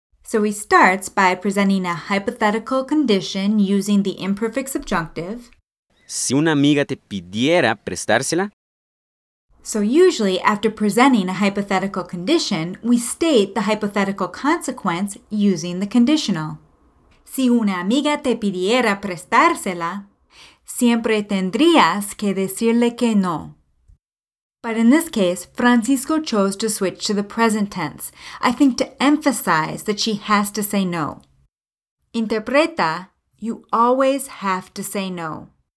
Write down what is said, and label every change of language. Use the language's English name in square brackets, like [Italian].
[English] So he starts by presenting a hypothetical condition using the imperfect subjunctive. [Spanish] Si una amiga te pidiera prestársela. [English] So usually, after presenting a hypothetical condition, we state the hypothetical consequence using the conditional. [Spanish] Si una amiga te pidiera prestársela, siempre tendrías que decirle que no. [English] But in this case, Francisco chose to switch to the present tense, I think to emphasize that she has to say no. [Spanish] Interpreta, [English] you always have to say no.